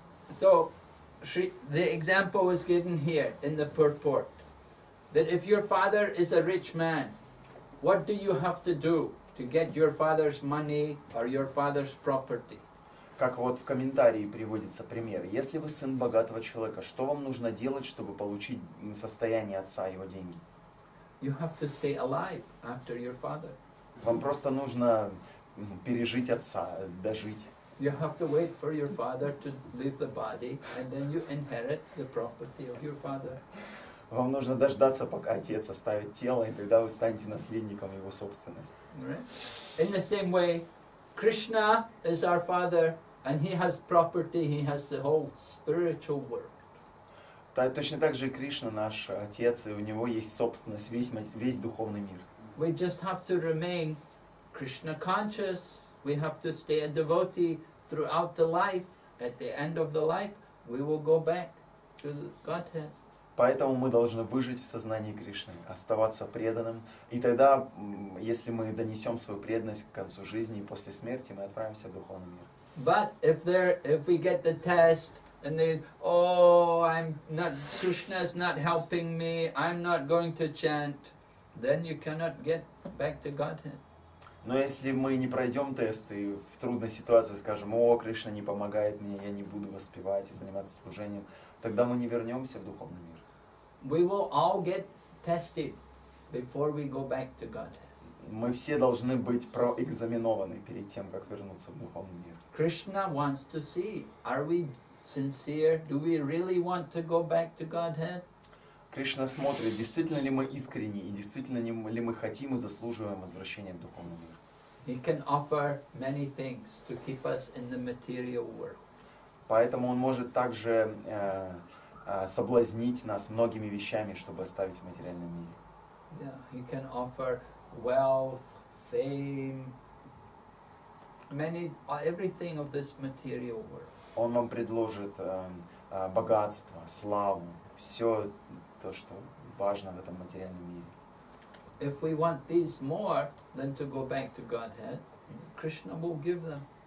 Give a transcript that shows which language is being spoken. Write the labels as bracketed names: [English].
[English] So, the example is given here in the purport. That if your father is a rich man, what do you have to do to get your father's money or your father's property? [Russian] Как вот в комментарии приводится пример. Если вы сын богатого человека, что вам нужно делать, чтобы получить состояние отца, его деньги? [English] You have to stay alive after your father. [Russian] Вам просто нужно пережить отца, дожить. [English] You have to wait for your father to leave the body, and then you inherit the property of your father. [Russian] Вам нужно дождаться, пока отец оставит тело, и тогда вы станете наследником его собственности. [English] Right? In the same way, Krishna is our father, and he has property, he has the whole spiritual world. [Russian] Точно так же Кришна наш отец, и у него есть собственность, весь духовный мир. [English] We just have to remain Krishna conscious. We have to stay a devotee throughout the life. At the end of the life, we will go back to the Godhead. [Russian] Поэтому мы должны выжить в сознании Кришны, оставаться преданным, и тогда, если мы донесем свою преданность к концу жизни и после смерти, мы отправимся в духовный мир. [English] But if we get the test. And they, Krishna's not helping me, I'm not going to chant, then you cannot get back to Godhead. [Russian] Но если мы не пройдем тест и в трудной ситуации скажем, Кришна не помогает мне, я не буду воспевать и заниматься служением, тогда мы не вернемся в духовный мир. [English] We will all get tested before we go back to Godhead. [Russian] Мы все должны быть проэкзаменованы перед тем, как вернуться в духовный мир. [English] Krishna wants to see, are we sincere? Do we really want to go back to Godhead? [Russian] Кришна смотрит, действительно ли мы искренни и действительно ли мы хотим и заслуживаем возвращения в духовный мир. [English] He can offer many things to keep us in the material world. [Russian] Поэтому он может также соблазнить нас многими вещами, чтобы оставить в материальном мире. [English] Yeah, he can offer wealth, fame, everything of this material world. [Russian] Он вам предложит богатство, славу, все то, что важно в этом материальном мире. [English] If we want these more, then to go back to Godhead, Krishna will give them.